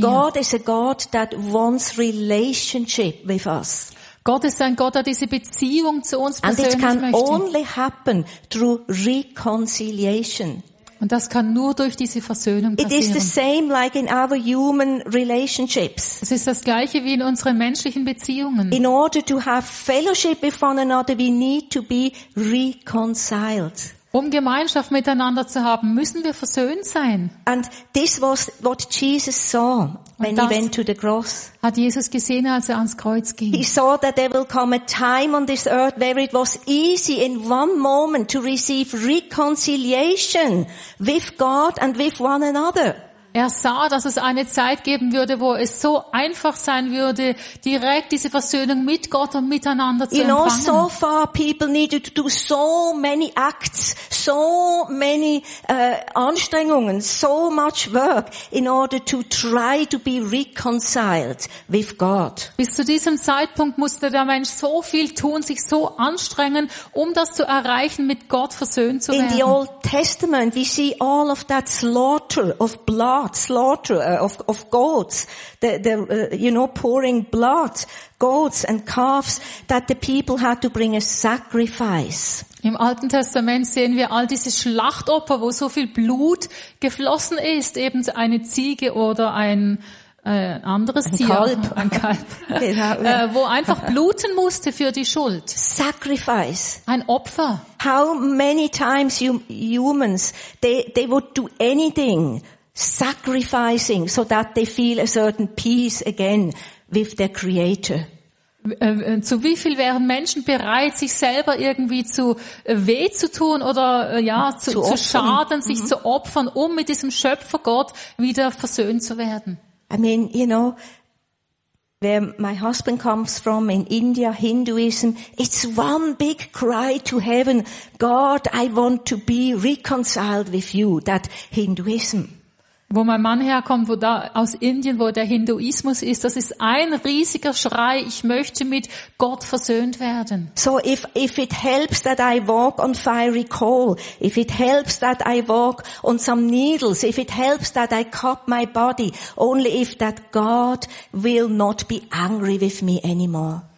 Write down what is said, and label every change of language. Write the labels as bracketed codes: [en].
[en] God is a God that wants relationship with us. [de] Gott ist ein Gott, der diese Beziehung zu uns persönlich möchte. [en] And it can only happen through reconciliation. [de] Und das kann nur durch diese Versöhnung passieren. [en] It is the same like in our human relationships. [de] Es ist das gleiche wie in unseren menschlichen Beziehungen. [en] In order to have fellowship with one another, we need to be reconciled. [de] Um Gemeinschaft miteinander zu haben, müssen wir versöhnt sein. [en] And this was what Jesus saw when he went to the cross. [de] Hat Jesus gesehen, als er ans Kreuz ging. [en] He saw that there will come a time on this earth where it was easy in one moment to receive reconciliation with God and with one another. [de] Er sah, dass es eine Zeit geben würde, wo es so einfach sein würde, direkt diese Versöhnung mit Gott und miteinander zu empfangen. [en] You know, so far people needed to do so many acts, so many [de] Anstrengungen, [en] so much work in order to try to be reconciled with God. [de] Bis zu diesem Zeitpunkt musste der Mensch so viel tun, sich so anstrengen, um das zu erreichen, mit Gott versöhnt zu werden. [en] In the Old Testament we see all of that slaughter of blood. Slaughter of goats, pouring blood, goats and calves, that the people had to bring a sacrifice. [de] Im Alten Testament sehen wir all diese Schlachtopfer, wo so viel Blut geflossen ist, eben eine Ziege oder ein anderes ein Tier, Kalb. Ein Kalb, wo einfach bluten musste für die Schuld. [en] Sacrifice. [de] Ein Opfer. [en] How many times humans they would do anything. Sacrificing so that they feel a certain peace again with their creator. [de] Zu wie viel wären Menschen bereit, sich selber irgendwie zu weh zu tun oder zu schaden, sich zu opfern, um mit diesem Schöpfer Gott wieder versöhnt zu werden? [en] I mean, you know, where my husband comes from in India, Hinduism, it's one big cry to heaven, God, I want to be reconciled with you, that Hinduism. [de] wo mein Mann herkommt, wo da aus Indien, wo der Hinduismus ist, das ist ein riesiger Schrei, ich möchte mit Gott versöhnt werden. [en] So if it helps that I walk on fiery coal, if it helps that I walk on some needles, if it helps that I cut my body, only if that God will not be angry with me anymore.